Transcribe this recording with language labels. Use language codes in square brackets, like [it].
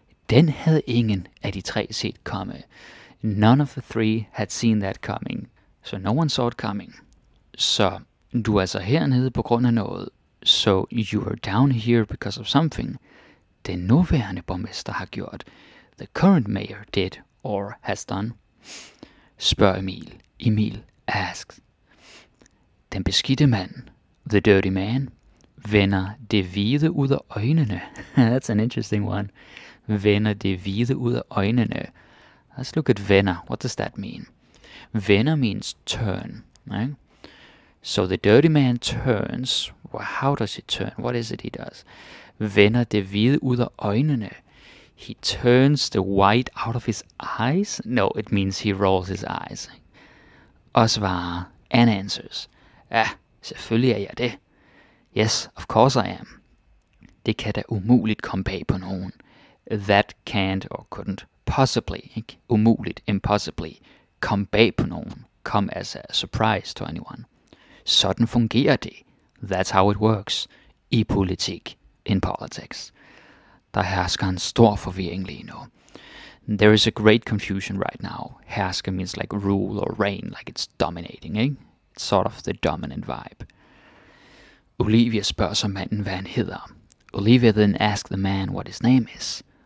[da] Den havde ingen af de tre set komme. [en] None of the three had seen that coming, so no one saw it coming. [da] Så du er så hernede på grund af noget, [en] so you are down here because of something, [da] den nuværende borgmester har gjort, [en] the current mayor did or has done, [da] spørger Emil. [en] Emil asks. [da] Den beskidte mand, [en] the dirty man, [da] vender det hvide ud af øjnene. [en] That's an interesting one. [da] Vender det hvide ud af øjnene. [en] Let's look at vender. What does that mean? Vender means turn, right? So the dirty man turns. Well, how does he turn? What is it he does? [da] Vender det hvide ud af øjnene. [en] He turns the white out of his eyes? No, it means he rolls his eyes. [da] Og svarer, [en] and answers. [da] Ja, selvfølgelig er jeg det. [en] Yes, of course I am. [da] Det kan da umuligt komme bag på nogen. [en] That can't or couldn't possibly, ikke? Umuligt, impossibly, [da] komme bag på nogen. [en] Come as a surprise to anyone. [da] Sådan fungerer det. [en] That's how it works. [da] I politik. [en] In politics. [da] Der hersker en stor forvirring lige nu. [en] There is a great confusion right now. Hersker means like rule or reign, like it's dominating, eh? It's sort of the dominant vibe. [da] Olivia spørger så manden, hvad han hedder. [en] Olivia then asks the man what his name is.